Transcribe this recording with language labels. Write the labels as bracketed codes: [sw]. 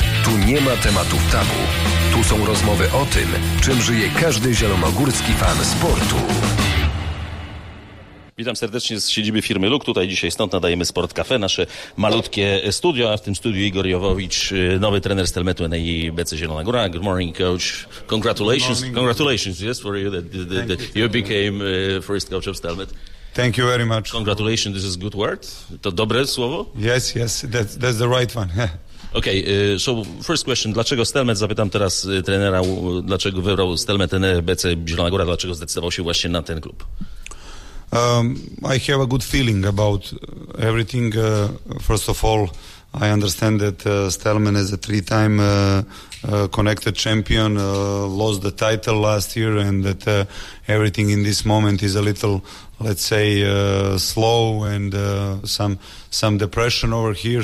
[pl] Tu nie ma tematów tabu. Tu są rozmowy o tym, czym żyje każdy zielonogórski fan sportu. Witam serdecznie z siedziby firmy Luk. Tutaj dzisiaj stąd nadajemy Sport Café, nasze malutkie studio, a w tym studiu Igor Jowowicz, nowy trener Stelmetu NA i BC Zielona Góra. [en] Good morning, coach. Congratulations. Morning. Congratulations, yes, for you that you became first coach of Stelmet. Thank you very much. Congratulations, this is good word. [pl] To dobre słowo? [en] Yes, that's the right one. Okay, so first question, [pl] dlaczego Stelmet, zapytam teraz trenera, dlaczego wybrał Stelmet NA, BC Zielona Góra, dlaczego zdecydował się właśnie na ten klub? [en] I have a good feeling about everything. First of all, I understand that Stelmet is a three-time connected champion, lost the title last year, and that everything in this moment is a little, let's say, slow and some depression over here.